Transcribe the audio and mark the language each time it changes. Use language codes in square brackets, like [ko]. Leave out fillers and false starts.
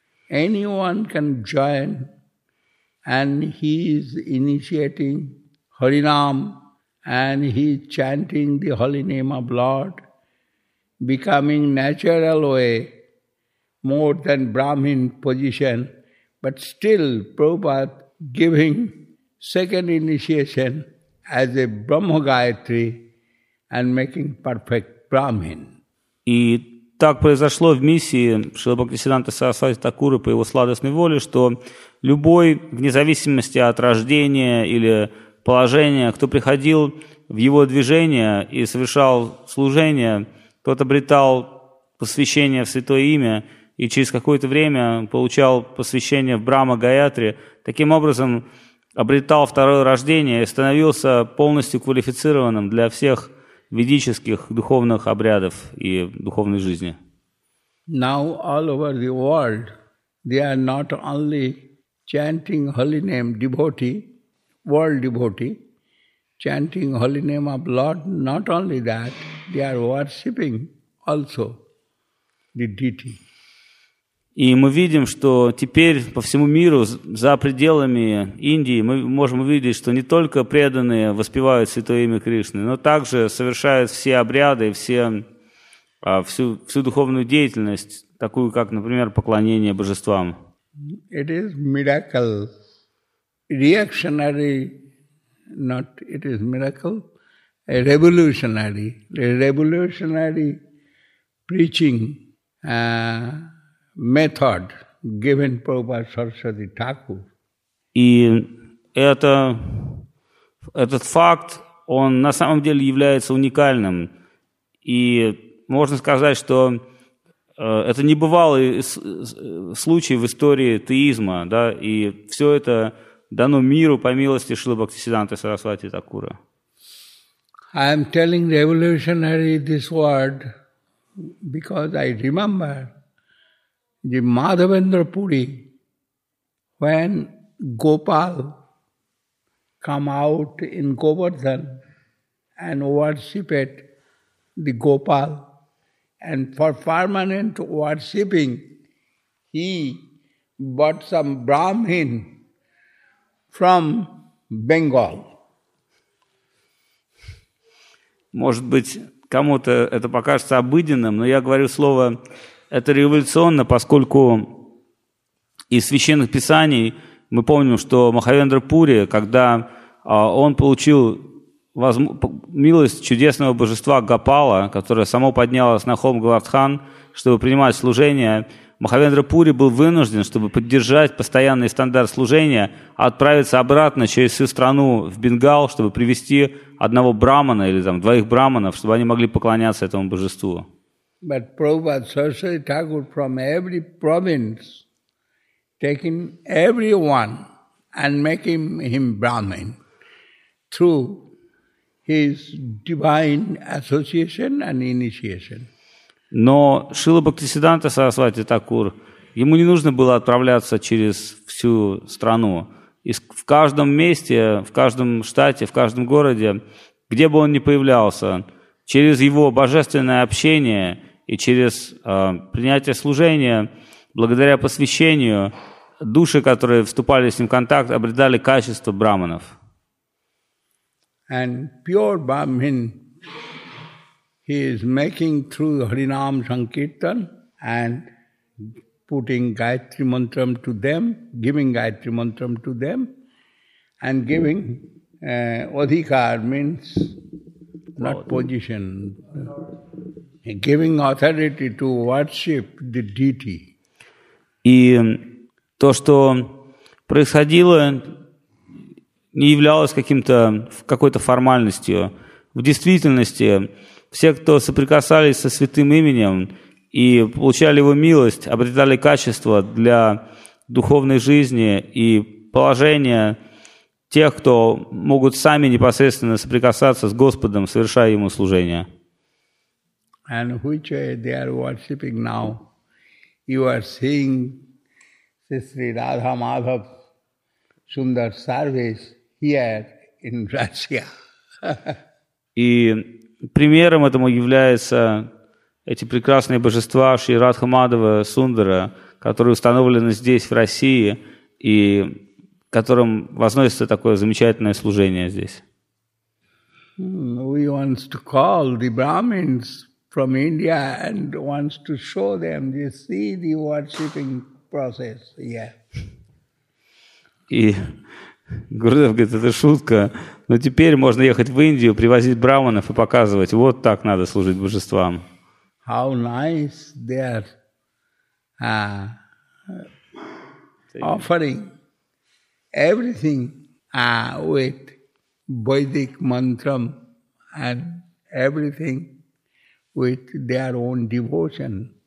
[en] Anyone can join, and he is initiating Harinam, and he is chanting the holy name of Lord, becoming natural way, more than Brahmin position, but still Prabhupada giving second initiation as a Brahma Gayatri and making perfect Brahmin. [ru] И так произошло в миссии Шрила Бхактисиддханта Сарасвати Такура по его сладостной воле, что любой, вне зависимости от рождения или положения, кто приходил в его движение и совершал служение, тот обретал посвящение в святое имя и через какое-то время получал посвящение в Брахма Гаятри, таким образом обретал второе рождение и становился полностью квалифицированным для всех ведических духовных обрядов и духовной жизни. [en] Now all over the world, they are not only chanting holy name devotee, world devotee, chanting holy name of Lord, not only that, they are worshipping also the deity. [ru] И мы видим, что теперь по всему миру, за пределами Индии, мы можем увидеть, что не только преданные воспевают святое имя Кришны, но также совершают все обряды, всю духовную деятельность, такую как, например, поклонение божествам. [en] It is miracle. Reactionary, not it is miracle, a revolutionary. A revolutionary preaching. Method given Prabhupada Saraswati Thakur. [ru] И этот факт, он на самом деле является уникальным. И можно сказать, что это небывалый случай в истории теизма, да, и все это дано миру по милости Шрилы Бхактисиддханты Сарасвати Такура. [en] I am telling revolutionary this word because I remember the Madhavendra Puri, when Gopal come out in Govardhan and worshipped the Gopal, and for permanent worshipping, he bought some Brahmin from Bengal. [ru] Может быть, кому-то это покажется обыденным, но я говорю слово. Это революционно, поскольку из священных писаний мы помним, что Махавендра Пури, когда он получил милость чудесного божества Гопала, которое само поднялось на холм Говардхан, чтобы принимать служение, Махавендра Пури был вынужден, чтобы поддержать постоянный стандарт служения, отправиться обратно через всю страну в Бенгал, чтобы привести одного брамана или там, двоих браманов, чтобы они могли поклоняться этому божеству. [en] But Prabhupada Saraswati Thakur from every province, taking everyone and making him Brahmin through his divine association and initiation. [ru] Но Шрила Бхактисиддханта Сарасвати Такур, ему не нужно было отправляться через всю страну. И в каждом месте, в каждом штате, в каждом городе, где бы он ни появлялся, через его божественное общение и через принятие служения, благодаря посвящению, души, которые вступали с ним в контакт, обретали качество брахманов. [en] And pure Brahmin he is making through Harinam Sankirtan and putting Gayatri Mantram to them, giving Gayatri Mantram to them and giving Adhikar means not position. Giving authority to worship the deity. [ru] И то, что происходило, не являлось каким-то, какой-то формальностью. В действительности Все, кто соприкасались со святым именем и получали его милость, обретали качество для духовной жизни и положения тех, кто могут сами непосредственно соприкасаться с Господом, совершая Ему служение. [en] And which way they are worshipping now? You are seeing Sri Radha Madhav Sundar service here in Russia. [ru] И примером этому являются эти прекрасные божества Шри Радха Мадхава Сундара, которые установлены здесь, в России, и которым возносится такое замечательное служение здесь. [en] We want to call the Brahmins from India and wants to show them, you see the worshipping process, yeah. [ru] И Гурудев говорит, это шутка, но теперь можно ехать в Индию, привозить брахманов и показывать, вот так надо служить божествам. [en] How nice their offering everything with Vedic mantra and everything with their own devotion.